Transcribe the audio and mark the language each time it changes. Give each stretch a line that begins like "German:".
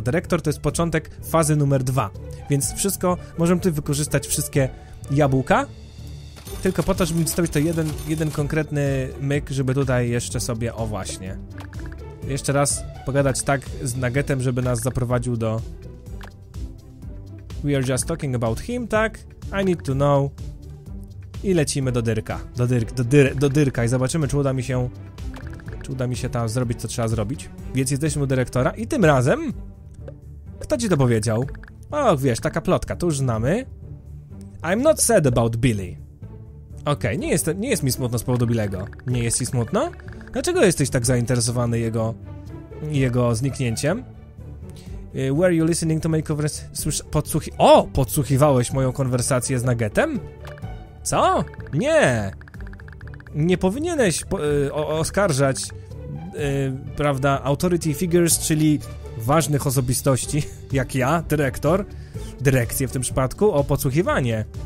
Polish: Dyrektor to jest początek fazy numer 2, więc wszystko, możemy tutaj wykorzystać wszystkie jabłka, tylko po to, żeby wystawić to jeden konkretny myk, żeby tutaj jeszcze sobie, o właśnie, jeszcze raz pogadać tak z Nuggetem, żeby nas zaprowadził do...
English: We are just talking about him, tak? I need to know.
Polish: I lecimy do Dyrka. Do Dyrka i zobaczymy, czy uda mi się... Czy uda mi się tam zrobić, co trzeba zrobić. Więc jesteśmy u dyrektora i tym razem... Kto ci to powiedział? O, wiesz, taka plotka, to już znamy.
English: I'm not sad about Billy.
Polish: Okej, okay, nie jest mi smutno z powodu Billego. Nie jest ci smutno? Dlaczego jesteś tak zainteresowany jego zniknięciem?
English: Were you listening to my conversation?
Polish: Podsłuchiwałeś moją konwersację z Nuggetem? Co? Nie! Nie powinieneś oskarżać, prawda,
English: authority figures,
Polish: czyli ważnych osobistości, jak ja, dyrektor, dyrekcję w tym przypadku, o podsłuchiwanie.